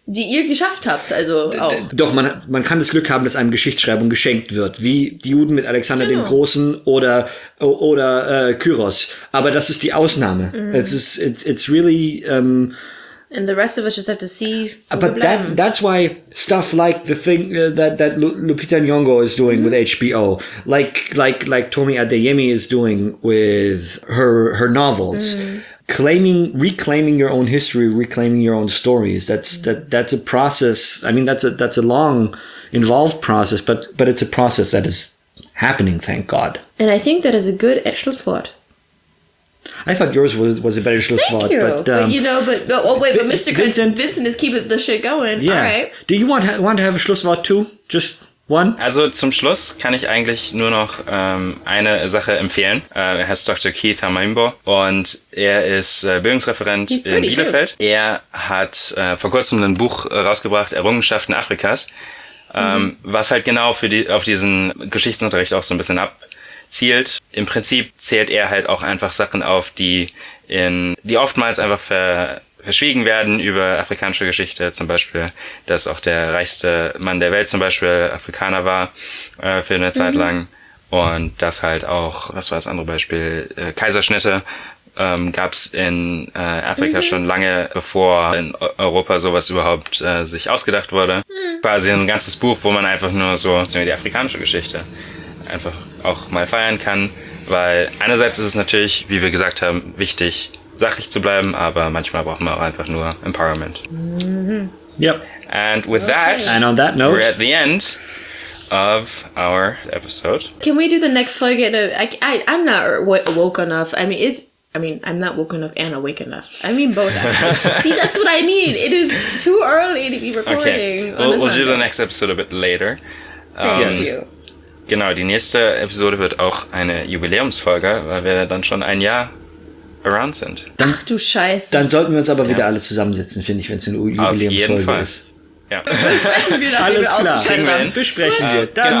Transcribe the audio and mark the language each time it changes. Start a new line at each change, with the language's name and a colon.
German: Die ihr geschafft habt, also auch. Doch, man kann das Glück haben, dass einem Geschichtsschreibung geschenkt wird, wie die Juden mit Alexander dem Großen oder Kyros. Aber das ist die Ausnahme.
English: Mm. It's really... And the rest of us just have to see. But that's why stuff like the thing that Lupita Nyong'o is doing with HBO, like Tomi Adeyemi is doing with her novels, reclaiming your own history, reclaiming your own stories. That's a process. I mean, that's a long, involved process. But it's a process that is happening. Thank God. And I think that is a good Schlusswort. I thought yours was a better Schlusswort. Thank you. But Mr. Vincent is keeping the shit going. Yeah. All right. Do you want to have a Schlusswort too? Just one?
German: Also zum Schluss kann ich eigentlich nur noch eine Sache empfehlen. Er heißt Dr. Keith Hamaimbo und er ist Bildungsreferent in Bielefeld. Too. Er hat vor kurzem ein Buch rausgebracht, Errungenschaften Afrikas, was halt genau auf diesen Geschichtsunterricht auch so ein bisschen abzielt. Im Prinzip zählt er halt auch einfach Sachen auf, die oftmals einfach verschwiegen werden über afrikanische Geschichte, zum Beispiel, dass auch der reichste Mann der Welt zum Beispiel Afrikaner war für eine Zeit lang und das halt auch, was war das andere Beispiel, Kaiserschnitte gab es in Afrika schon lange, bevor in Europa sowas überhaupt sich ausgedacht wurde. Quasi ein ganzes Buch, wo man einfach nur so die afrikanische Geschichte einfach auch mal feiern kann, weil einerseits ist es natürlich, wie wir gesagt haben, wichtig, sachlich zu bleiben, aber manchmal brauchen wir auch einfach nur Empowerment.
English: Mm-hmm. Yep. And with that, and on that note, we're at the end of our episode. Can we do the next folge? I'm not woke enough. I'm not woke enough and awake enough. I mean both. See, that's what I mean. It is too early to be recording. Okay. We'll do the next episode a bit later. Thank you.
German: Genau, die nächste Episode wird auch eine Jubiläumsfolge, weil wir dann schon ein Jahr around sind. Ach du Scheiße. Dann sollten wir uns aber wieder alle zusammensetzen, finde ich, wenn es eine Jubiläumsfolge ist. Ja. Alles klar. Besprechen wir. Dann.